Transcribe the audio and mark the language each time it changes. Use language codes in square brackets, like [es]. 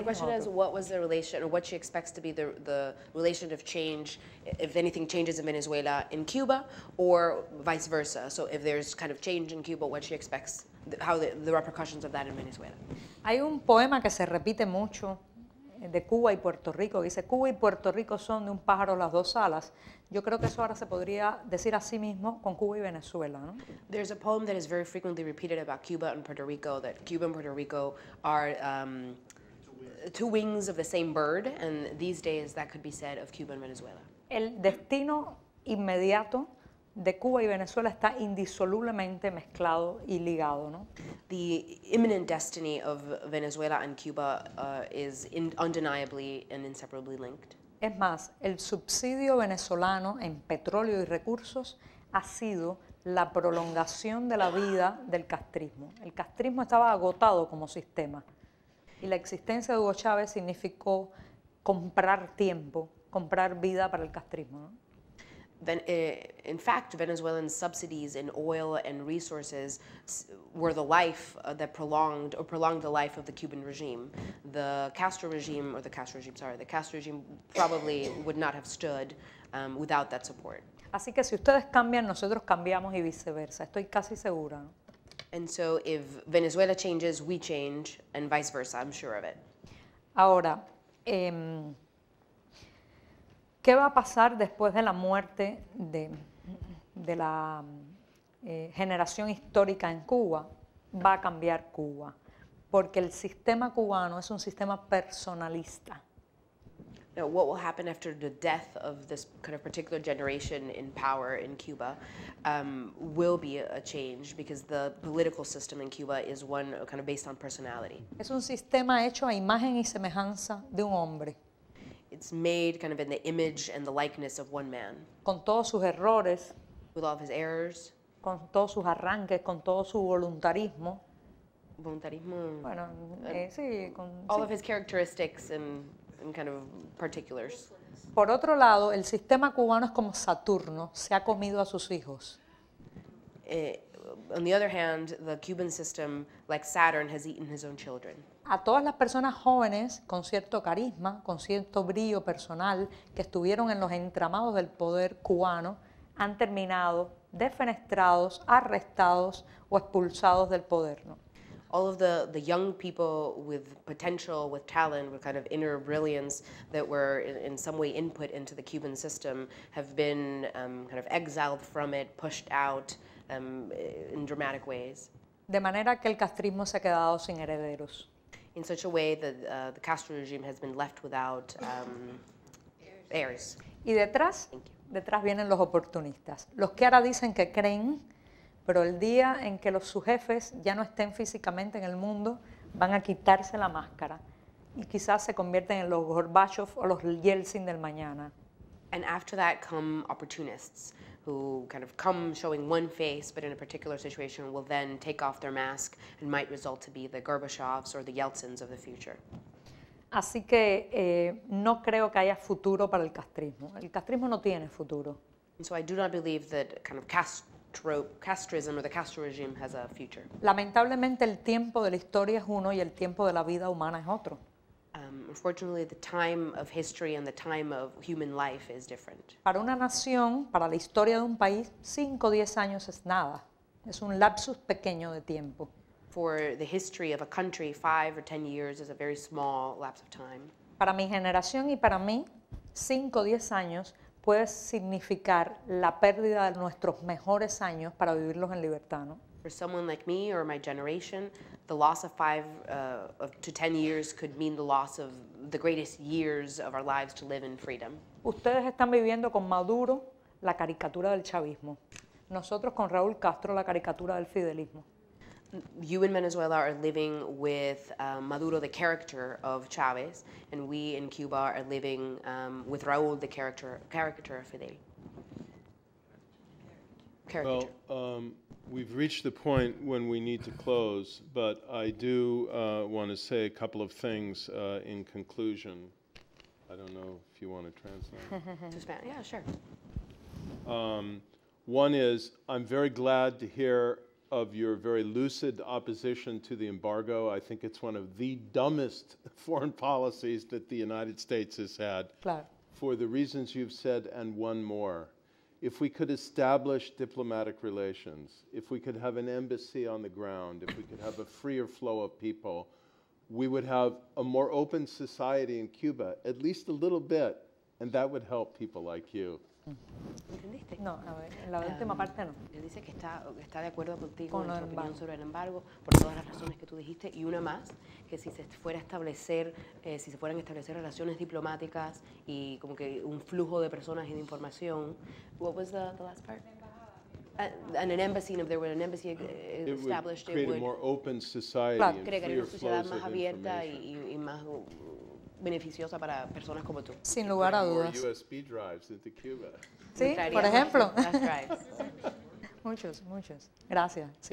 [en] The question is what was the relation or what she expects to be the relation of change if anything changes in Venezuela in Cuba or vice versa. So if there's kind of change in Cuba, what she expects how the repercussions of that in Venezuela. [es] Hay un poema que se repite mucho de Cuba y Puerto Rico, dice Cuba y Puerto Rico son de un pájaro las dos alas. Yo creo que eso ahora se podría decir a sí mismo con Cuba y Venezuela, ¿no? [en] There's a poem that is very frequently repeated about Cuba and Puerto Rico, that Cuba and Puerto Rico are two wings of the same bird, and these days that could be said of Cuba and Venezuela. [es] El destino inmediato de Cuba y Venezuela está indisolublemente mezclado y ligado, ¿no? [en] The imminent destiny of Venezuela and Cuba is undeniably and inseparably linked. [es] Es más, el subsidio venezolano en petróleo y recursos ha sido la prolongación de la vida del castrismo. El castrismo estaba agotado como sistema y la existencia de Hugo Chávez significó comprar tiempo, comprar vida para el castrismo, ¿no? [en] In fact, Venezuelan subsidies in oil and resources were the life that prolonged the life of the Cuban regime. The Castro regime probably would not have stood without that support. [es] Así que si ustedes cambian, nosotros cambiamos y viceversa. Estoy casi segura. [en] And so if Venezuela changes, we change, and vice versa. I'm sure of it. [es] Ahora, ¿qué va a pasar después de la muerte de la generación histórica en Cuba? Va a cambiar Cuba, porque el sistema cubano es un sistema personalista. [en] Now, what will happen after the death of this kind of particular generation in power in Cuba will be a change, because the political system in Cuba is one kind of based on personality. [es] Es un sistema hecho a imagen y semejanza de un hombre. [en] It's made kind of in the image and the likeness of one man. [es] Con todos sus errores. [en] With all of his errors. [es] Con todos sus arranques, con todo su voluntarismo. Voluntarismo. Bueno, sí. Con, [en] all [es] sí. [en] Of his characteristics and kind of particulars. [es] Por otro lado, el sistema cubano es como Saturno, se ha comido a sus hijos. [en] On the other hand, the Cuban system, like Saturn, has eaten his own children. [es] A todas las personas jóvenes con cierto carisma, con cierto brillo personal, que estuvieron en los entramados del poder cubano, han terminado defenestrados, arrestados o expulsados del poder, ¿no? [en] All of the young people with potential, with talent, with kind of inner brilliance that were in some way input into the Cuban system have been kind of exiled from it, pushed out in dramatic ways. [es] De manera que el castrismo se ha quedado sin herederos. [en] in such a way that the Castro regime has been left without heirs. [es] Y detrás, detrás vienen los oportunistas, los que ahora dicen que creen, pero el día en que los sus jefes ya no estén físicamente en el mundo, van a quitarse la máscara y quizás se convierten en los Gorbachev o los Yeltsin del mañana. [en] And after that come opportunists who kind of come showing one face, but in a particular situation will then take off their mask and might result to be the Gorbachevs or the Yeltsins of the future. [es] Así que no creo que haya futuro para el castrismo. El castrismo no tiene futuro. [en] And so I do not believe that kind of castrism or the Castro regime has a future. [es] Lamentablemente el tiempo de la historia es uno y el tiempo de la vida humana es otro. [en] Unfortunately, the time of history and the time of human life is different. [es] Para una nación, para la historia de un país, 5 o 10 años es nada. Es un lapsus pequeño de tiempo. [en] For the history of a country, 5 or 10 years is a very small lapse of time. [es] Para mi generación y para mí, 5 o 10 años puede significar la pérdida de nuestros mejores años para vivirlos en libertad, ¿no? [en] For someone like me or my generation, the loss of 5 to 10 years could mean the loss of the greatest years of our lives to live in freedom. [es] Ustedes están viviendo con Maduro la caricatura del chavismo. Nosotros con Raúl Castro la caricatura del fidelismo. [en] You in Venezuela are living with Maduro, the character of Chávez, and we in Cuba are living with Raúl, the caricature of Fidel. Well, we've reached the point when we need to close, but I do want to say a couple of things in conclusion. I don't know if you want to translate. To Spanish? Yeah, sure. One is, I'm very glad to hear of your very lucid opposition to the embargo. I think it's one of the dumbest foreign policies that the United States has had. [es] Claro. [en] For the reasons you've said, and one more. If we could establish diplomatic relations, if we could have an embassy on the ground, if we could have a freer flow of people, we would have a more open society in Cuba, at least a little bit, and that would help people like you. [es] ¿Entendiste? No, a ver, en la última parte no. Él dice que está de acuerdo contigo con su opinión sobre el embargo por todas las razones que tú dijiste y una más, que si se fuera a establecer, si se fueran a establecer relaciones diplomáticas y como que un flujo de personas y de información. [en] What was the last part? And an embassy, if there were an embassy established, it would create a more open society and freer flows of information. [es] Beneficiosa para personas como tú. Sin lugar a dudas. [en] USB drives into Cuba. [es] Sí, por ejemplo. Muchos, muchos. Gracias. Sí.